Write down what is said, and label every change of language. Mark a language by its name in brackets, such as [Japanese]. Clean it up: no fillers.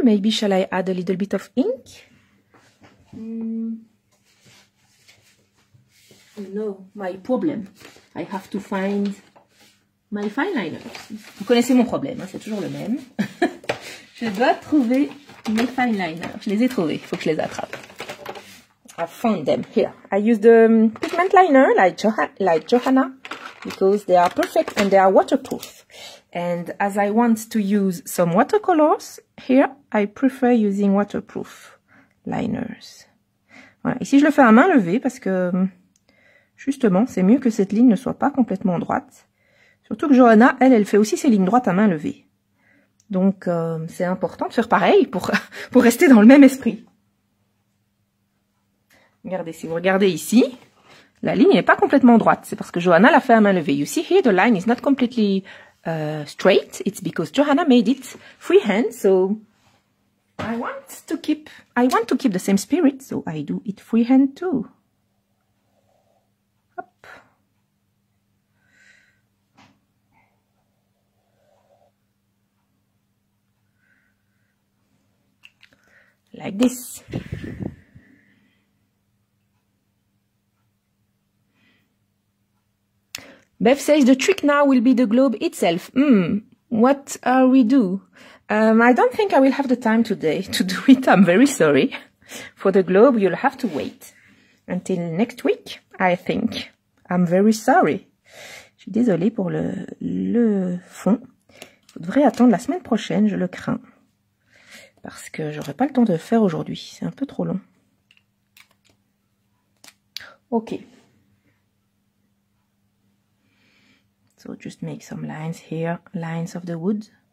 [English] Maybe shall I add a little bit of ink? No, my problem. I have to find My fine liner. [French] Vous connaissez mon problème, hein, c'est toujours le même. Je dois trouver mes fine liners. Je les ai trouvés, il faut que je les attrape. [English] I found them here. I use the pigment liner like Johanna because they are perfect and they are waterproof. And as I want to use some watercolors here, I prefer using waterproof liners. Voilà. [French] Ici, je le fais à main levée parce que justement, c'est mieux que cette ligne ne soit pas complètement droite. Surtout que Johanna, elle fait aussi ses lignes droites à main levée. Donc, c'est important de faire pareil pour rester dans le même esprit. Regardez, si vous regardez ici, la ligne n'est pas complètement droite. C'est parce que Johanna l'a fait à main levée. [English] You see here, the line is not completely straight. It's because Johanna made it freehand, so I want to keep the same spirit, so I do it freehand too. Like this. Beth says the trick now will be the globe itself. What are we do? I don't think I will have the time today to do it. I'm very sorry. For the globe, you'll have to wait until next week, I think. I'm very sorry. [French] Je suis désolée pour le fond. Vous devrez attendre la semaine prochaine, je le crains. Parce que j'aurai pas le temps de le faire aujourd'hui. C'est un peu trop long. [English] Ok. So just make some lines here. Lines of the wood.